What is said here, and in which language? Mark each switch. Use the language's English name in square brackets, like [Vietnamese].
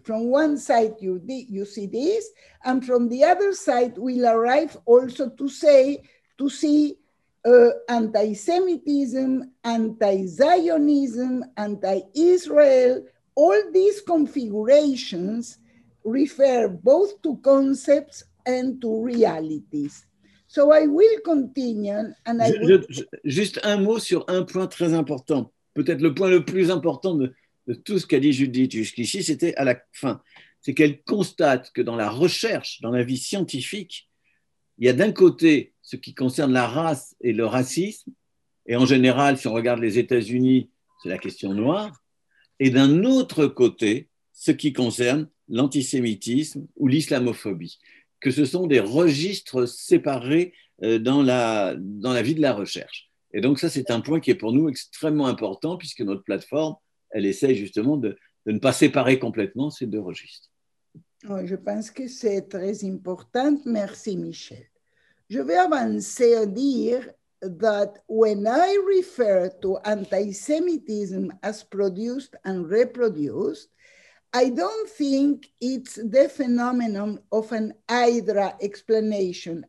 [English] From one side, you see this, and from the other side, we'll arrive also to see anti-Semitism, anti-Zionism, anti-Israel, all these configurations refer both to concepts and to realities. So I will continue and I will... [French] Juste un mot sur un point très important, peut-être le point le plus important de tout ce qu'a dit Judith jusqu'ici, c'était à la fin. C'est qu'elle constate que dans la recherche, dans la vie scientifique, il y a d'un côté ce qui concerne la race et le racisme, et en général, si on regarde les États-Unis, c'est la question noire, et d'un autre côté, ce qui concerne l'antisémitisme ou l'islamophobie. Que ce sont des registres séparés dans la vie de la recherche. Et donc ça, c'est un point qui est pour nous extrêmement important, puisque notre plateforme, elle essaie justement de ne pas séparer complètement ces deux registres. Oui, je pense que c'est très important. Merci, Michel. Je vais avancer à dire [English] that when I refer to antisemitism as produced and reproduced, I don't think it's the phenomenon of an Hydra explanation.